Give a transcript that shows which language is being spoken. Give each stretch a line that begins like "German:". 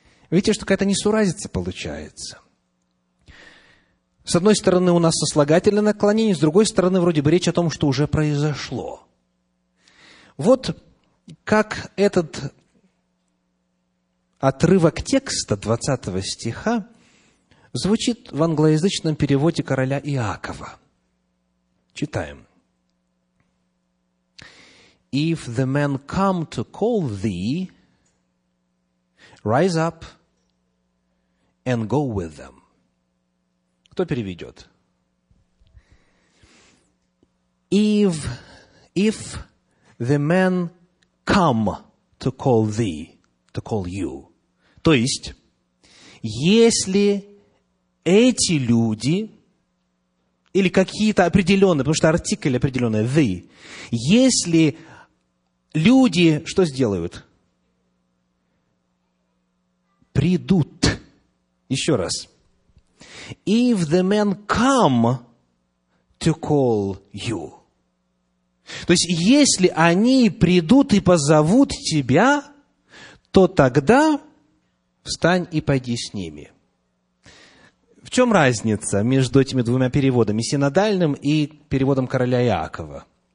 Russian: Видите, что какая-то несуразица получается. С одной стороны, у нас сослагательное наклонение, с другой стороны, вроде бы речь о том, что уже произошло. Вот как этот отрывок текста 20 стиха звучит в англоязычном переводе короля Иакова. Читаем.
English: If the men come to call thee, rise up and go with them.
Russian: Кто переведет?
English: If the men come to call thee, to call you.
Russian: То есть, если эти люди или какие-то определенные, потому что артикль определенный, they, если люди, что сделают? Придут. Еще раз.
English: If the men come to call you.
Russian: То есть, если они придут и позовут тебя, то тогда встань и пойди с ними. В чем разница между этими двумя переводами, синодальным и переводом короля Иакова?